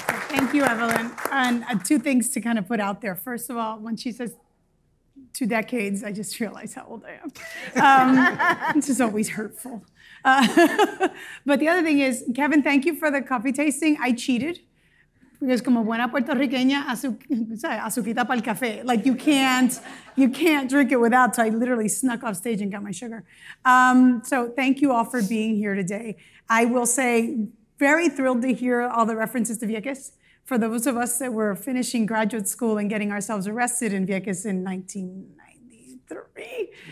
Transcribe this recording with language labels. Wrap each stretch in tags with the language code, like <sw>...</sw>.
<en>Thank you, Evelyn. And two things to kind of put out there. First of all, when she says two decades, I just realize how old I am. This is always hurtful. But the other thing is, Kevin, thank you for the coffee tasting. I cheated. Because</en> <es>como buena puertorriqueña, azuquita para el café.</es> <en>Like, you can't drink it without. So I literally snuck off stage and got my sugar. So thank you all for being here today. I will say, very thrilled to hear all the references to Vieques. For those of us that were finishing graduate school and getting ourselves arrested in Vieques in 1993.</en>